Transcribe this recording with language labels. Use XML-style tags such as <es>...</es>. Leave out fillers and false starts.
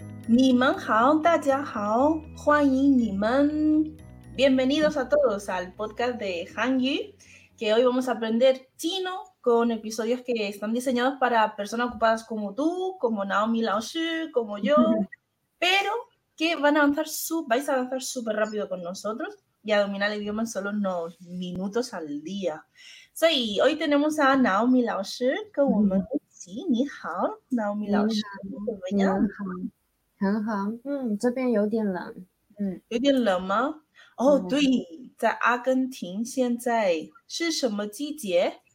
<zh>你们好，大家好，欢迎你们。</zh> <es>Bienvenidos a todos al podcast de Hanyu, que hoy vamos a aprender chino con episodios que están diseñados para personas ocupadas como tú, como Naomi Laoshi, como yo, pero que van a avanzar, vais a avanzar súper rápido con nosotros y a dominar el idioma en solo unos minutos al día. Sí, hoy tenemos a Naomi Laoshi con nosotros. Sí, ni hao, Naomi Laoshi. ¿Cómo estás?</es> <zh>很好，这边有点冷，有点冷吗？哦、oh, ，对，在阿根廷现在是什么季节？</zh>